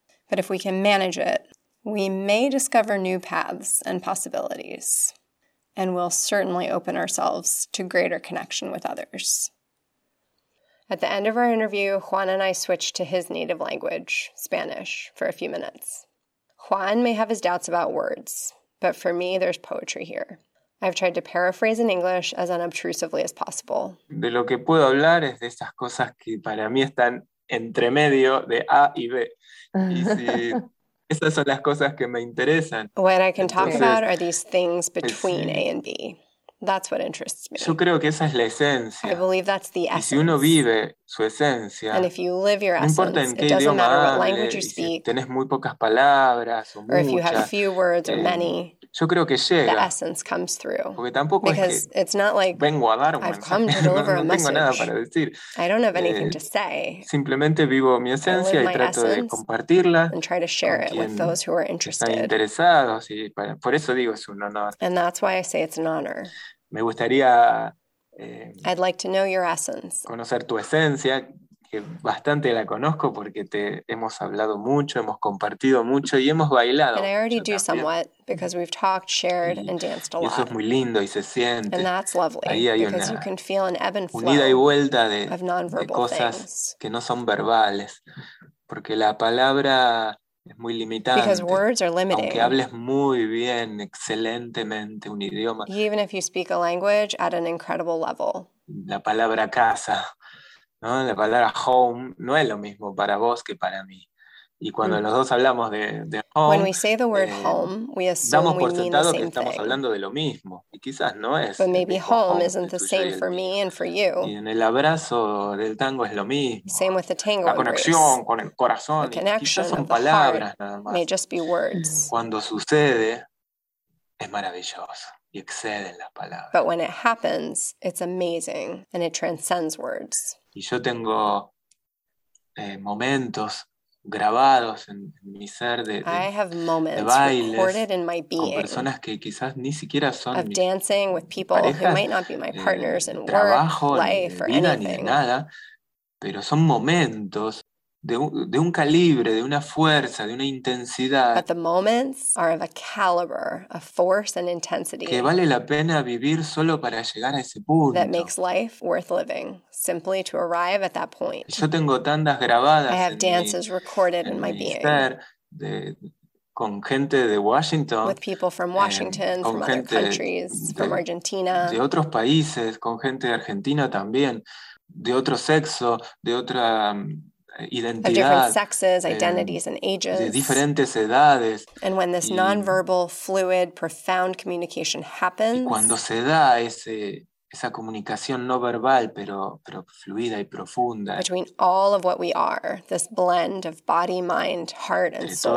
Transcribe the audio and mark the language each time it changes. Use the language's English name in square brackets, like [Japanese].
[English] But if we can manage it, we may discover new paths and possibilities, and we'll certainly open ourselves to greater connection with others. At the end of our interview, Juan and I switched to his native language, Spanish, for a few minutes. Juan may have his doubts about words, but for me, there's poetry here. I've tried to paraphrase in English as unobtrusively as possible. [Spanish] De lo que puedo hablar es de esas cosas que para mí están entre medio de A y B. Y si esas son las cosas que me interesan. [English] What I can talk about are these things between A and B. That's what interests me. [Spanish] Yo creo que esa es la esencia. [English] I believe that's the essence. [Spanish] Y si uno vive su esencia, [English] and if you live your essence, [Spanish] no importa en qué idioma hable, [English] what language you speak, [Spanish] si tenés muy pocas palabras o muchas, [English] or if you have few words or many, [Spanish] yo creo que llega. [English] The essence comes through. [Spanish] Porque tampoco [English] because [Spanish] es que [English] it's not like [Spanish] vengo a dar un [English] I've come to deliver [Spanish] no, no [English] a message. [Spanish] Tengo nada para decir. [English] I don't have anything to say. [Spanish] Simplemente vivo mi esencia y trato de compartirla [English] and try to share it with those who are interested. [Spanish] Están interesados y para, por eso digo es un honor. [English] And that's why I say it's an honor. [Spanish] Me gustaría, [English] I'd like to know your essence. [Spanish] Conocer tu esencia, que bastante la conozco porque te hemos hablado mucho, hemos compartido mucho y hemos bailado. [English] And I already do somewhat because we've talked, shared, and danced a lot. [Spanish] Y eso es muy lindo y se siente. [English] And that's lovely. [Spanish] Ahí hay una, [English] you can feel an ebb and flow [Spanish] unida y vuelta [English] of non-verbal [Spanish] de cosas [English] things. [Spanish] Que no son verbales. Porque la palabra es muy limitante. [English] Because words are limiting. [Spanish] Aunque hables muy bien, excelentemente un idioma. [English] Even if you speak a language at an incredible level. [Spanish] La palabra casa, ¿no? La palabra home no es lo mismo para vos que para mí. Y cuando los dos hablamos de home, [English] when we say the word home, we assume [Spanish] damos por [English] we mean [Spanish] sentado [English] the same [Spanish] que estamos [English] thing. [Spanish] Hablando de lo mismo. Y quizás no es. [English] But maybe home isn't the same for me and for you. [Spanish] Y en el abrazo del tango es lo mismo. [English] Same with the tango. [Spanish] La conexión con el corazón. [English] The connection [Spanish] quizás son [English] of [Spanish] palabras, [English] the heart [Spanish] nada más. [English] May just be words. [Spanish] Cuando sucede, es maravilloso. Y exceden las palabras. [English] But when it happens, it's amazing and it transcends words. [Spanish] Y yo tengo momentos grabados en mi ser de bailes [English] recorded in my being [Spanish] con personas que quizás ni siquiera son [English] of dancing with people [Spanish] parejas, [English] who might not be my partners in [Spanish] trabajo, [English] work, life, [Spanish] ni de vida, [English] or anything. [Spanish] Ni de nada, pero son momentos de un calibre, de una fuerza, de una intensidad. [English] But the moments are of a caliber, a force and intensity. [Spanish] Que vale la pena vivir solo para llegar a ese punto. [English] That makes life worth living, simply to arrive at that point. [Spanish] Yo tengo tandas grabadas. [English] I have dances recorded in my being. [Spanish] Con gente de Washington. [English] With people from Washington, from other countries, from Argentina. [Spanish] De otros países, con gente de Argentina también. De otro sexo, de otra identidad, [English] of different sexes, identities, and ages. [Spanish] De diferentes edades. [English] And when this nonverbal, fluid, profound communication happens, [Spanish] y cuando se da esa comunicación no verbal, pero fluida y profunda, [English] between all of what we are, this blend of body, mind, heart, and soul.